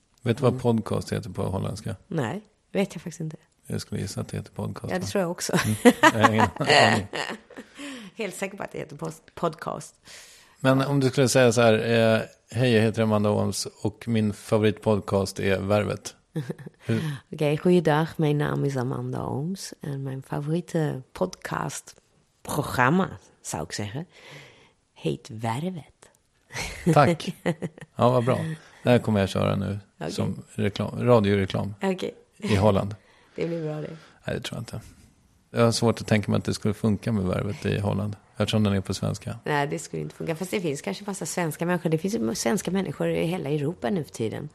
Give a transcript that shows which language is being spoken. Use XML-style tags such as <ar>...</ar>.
<sv>Vet du vad podcast heter på holländska? Nej, vet jag faktiskt inte. Jag skulle gissa att det heter podcast. Ja, det tror jag också. Helt säker på att det heter podcast. Men om du skulle säga så här, hej, jag heter Amanda Holmes och min favoritpodcast är Värvet.</sv> <nl>Okej, okay, goeiedag, mijn naam is Amanda Holmes en mijn favoriete podcastprogramma, zou ik zeggen, heet Värvet.</nl> <sv>Tack, ja vad bra. Det här kommer jag köra nu, okay. Som reklam, radioreklam, okay. I Holland. Det blir bra det. Nej, det tror jag inte. Jag har svårt att tänka mig att det skulle funka med Värvet i Holland. Jag tror den är på svenska. Nej, det skulle inte funka. Fast det finns kanske massa svenska människor. Det finns svenska människor i hela Europa nu för tiden.</sv>